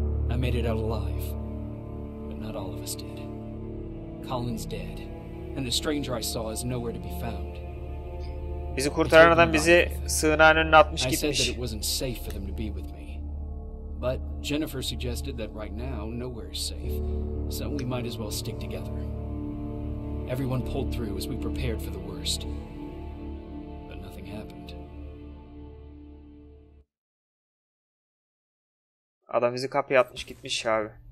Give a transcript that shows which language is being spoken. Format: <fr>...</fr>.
<en>I made it out alive, but not all of us did. Colin's dead, and the stranger I saw is nowhere to be found.</en> <tr>Bizi kurtaran adam bizi sığınağın önüne atmış gitmiş.</tr> <en>I said that it wasn't safe for them to be with me. But Jennifer suggested that right now nowhere is safe, so we might as well stick together. Everyone pulled through as we prepared for the worst, but nothing happened.</en> <tr>Adam bizi kapıya atmış gitmiş abi.</tr>